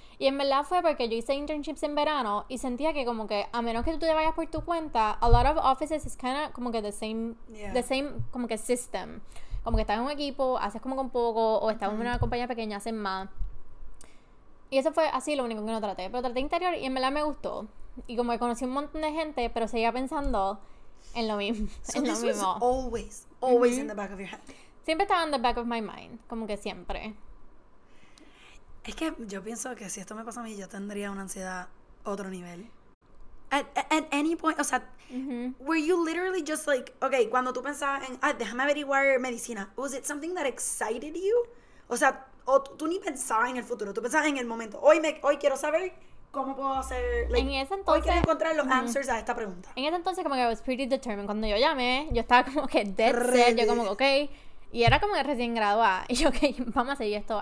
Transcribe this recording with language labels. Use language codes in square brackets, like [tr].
[es] Y en verdad fue porque yo hice internships en verano y sentía que como que a menos que tú te vayas por tu cuenta, [en] a lot of offices is kind of [es] como que [en] the same [es] como que system. Como que estás en un equipo, haces como con poco, o estás en una compañía pequeña, haces más. Y eso fue así lo único que no traté. Pero traté interior y en verdad me gustó. Y como que conocí un montón de gente, pero seguía pensando en lo mismo. [en] So this was always, always in the back of your head. [es] Siempre estaba en [en] the back of my mind, [es] como que siempre. Es que yo pienso que si esto me pasa a mí, yo tendría una ansiedad otro nivel. [en] At any point, [es] o sea, [en] were you literally just like, okay, [es] cuando tú pensabas en, ah, déjame averiguar medicina, [en] was it something that excited you? [es] O sea, o tú ni pensabas en el futuro, tú pensabas en el momento. Hoy quiero saber cómo puedo hacer, En [en] like, [es] ese hoy quiero entonces, encontrar los answers a esta pregunta. En ese entonces como que [en] I was pretty determined. [es] Cuando yo llamé, yo estaba como que [en] dead set, [es] yo como [en] Ready. [es] que ok, y era como que recién graduada, y yo ok, vamos a seguir esto.